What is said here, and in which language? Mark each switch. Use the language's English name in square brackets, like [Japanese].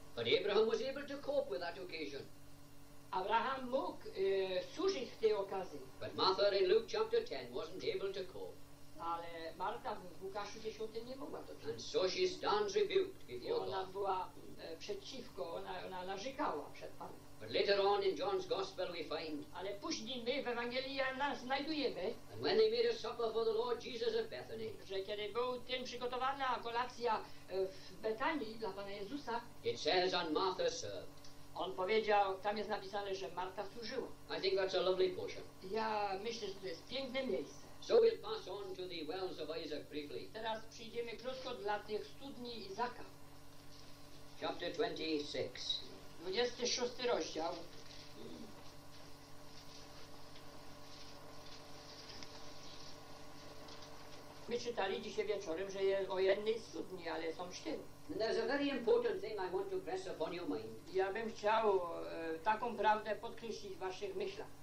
[English] But Abraham was able to cope with that occasion. [Polish] Abraham mógł służyć w tej okazji. [English] But Martha in Luke chapter 10 wasn't able to cope. [Polish] Ale Marta w Łukaszu 10 nie mogła to czynić. [English] And so she stands rebuked before God. [Polish] Ona była przeciwko, ona narzekała przed Panem. [English] But later on in John's Gospel we find. [Polish] Ale później my w Ewangelii Jana znajdujemy. [English] And when they made a supper for the Lord Jesus at Bethany. [Polish] Że kiedy był tym przygotowana kolacja w Betanii dla Pana Jezusa. [English] It says on Martha served. [Polish] On powiedział, tam jest napisane, że Marta służyła. [English] I think that's a lovely portion. [Polish] Ja myślę, że to jest piękne miejsce. [English] So we'll pass on to the wells of Isaac briefly. [Polish] Teraz przejdziemy krótko dla tych studni Izaka. [English] Chapter 26. [Polish] 26 rozdział. My czytali dzisiaj wieczorem, że jest o jednej studni, ale są cztery. [English] And there's a very important thing I want to press upon your mind. [Polish] Ja bym chciał taką prawdę podkreślić w waszych myślach.